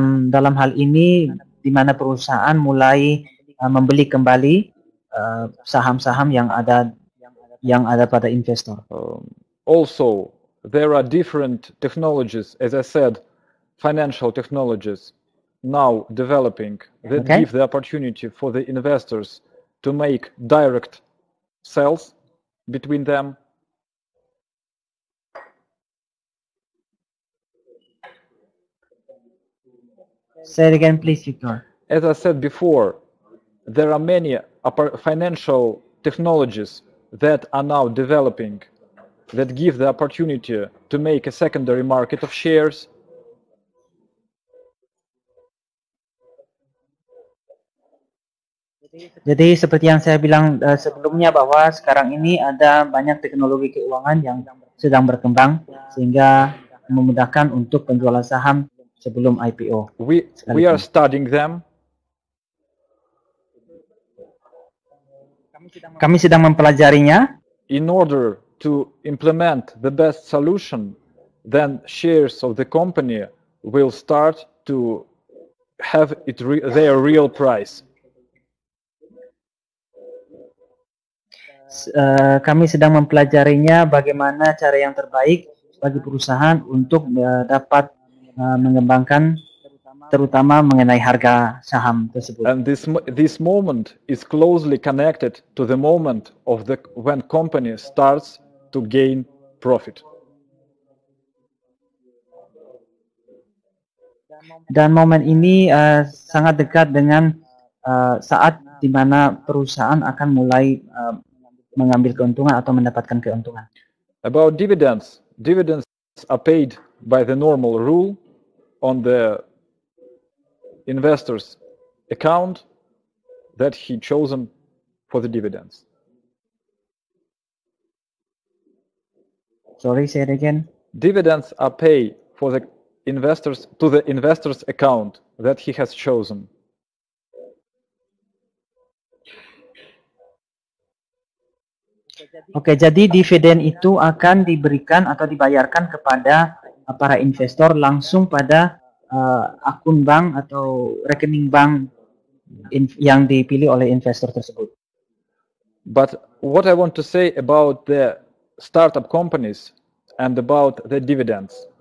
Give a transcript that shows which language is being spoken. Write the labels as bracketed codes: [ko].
[id] Dalam hal ini di mana perusahaan mulai membeli kembali saham-saham yang ada pada investor. [en] Also, there are different technologies, as I said, financial technologies now developing that okay. give the opportunity for the investors to make direct sales between them. Say it again, please, Victor. As I said before, there are many financial technologies that are now developing that give the opportunity to make a secondary market of shares. [id] Jadi seperti yang saya bilang sebelumnya bahwa sekarang ini ada banyak teknologi keuangan yang sedang berkembang sehingga memudahkan untuk penjualan saham sebelum IPO. [en] We are studying them. [id] Kami sedang mempelajarinya. [en] In order to implement the best solution, then shares of the company will start to have it their real price. [id] Kami sedang mempelajarinya bagaimana cara yang terbaik bagi perusahaan untuk dapat mengembangkan terutama mengenai harga saham tersebut. [en] And this moment is closely connected to the moment of the when company starts to gain profit. [id] Dan momen ini sangat dekat dengan saat di mana perusahaan akan mulai mengambil keuntungan atau mendapatkan keuntungan. [en] About dividends. Dividends are paid by the normal rule on the investor's account that he chosen for the dividends. Sorry, say it again. Dividends are paid for the investors to the investor's account that he has chosen. [id] Oke, jadi dividen itu akan diberikan atau dibayarkan kepada para investor langsung pada akun bank atau rekening bank yang dipilih oleh investor tersebut. [en] But what I want to say about the startup companies and about the dividends.